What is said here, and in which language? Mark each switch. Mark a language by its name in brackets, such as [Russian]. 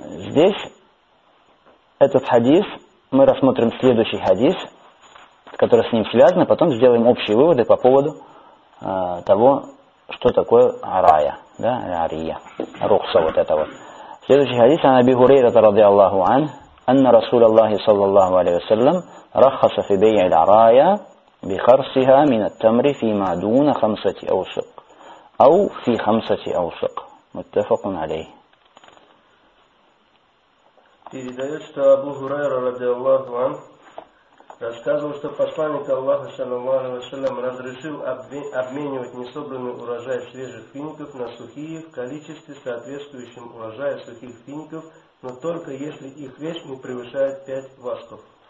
[Russian] Здесь этот хадис, мы рассмотрим следующий хадис, который с ним связан, а потом сделаем общие выводы по поводу того, что такое арая, да, ария, рухса вот это вот. Следующий хадис [Arabic] عن أبي هريرة رضي الله عنه أن رسول الله صلى الله عليه وسلم رخص في بيع العرايا بخرصها من التمر فيما دون خمسة أوسق أو في خمسة أوسق متفق عليه. [Russian] Передает, что Абу Хурайра رضي الله عنه рассказывал, что посланник Аллаха صلى الله عليه وسلم разрешил обменивать несобранный урожай свежих фиников на сухие в количестве, соответствующем урожаю сухих фиников, но только если их вес не превышает 5 васков.